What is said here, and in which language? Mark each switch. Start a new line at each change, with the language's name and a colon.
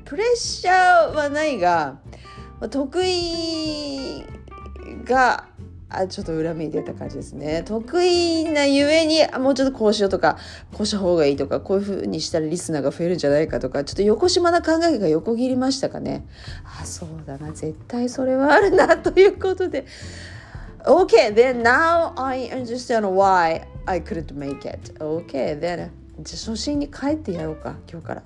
Japanese: プレッシャーはないが、得意が、ちょっと恨み出た感じですね。得意なゆえに、もうちょっとこうしようとか、こうした方がいいとか、こういう風にしたらリスナーが増えるんじゃないかとか、ちょっと横島な考えが横切りましたかね。あ、そうだな、絶対それはあるな、ということで。
English: Okay, then now I understand why I couldn't make it. Okay, then.
Japanese: じゃあ初心に帰ってやろうか、今日から。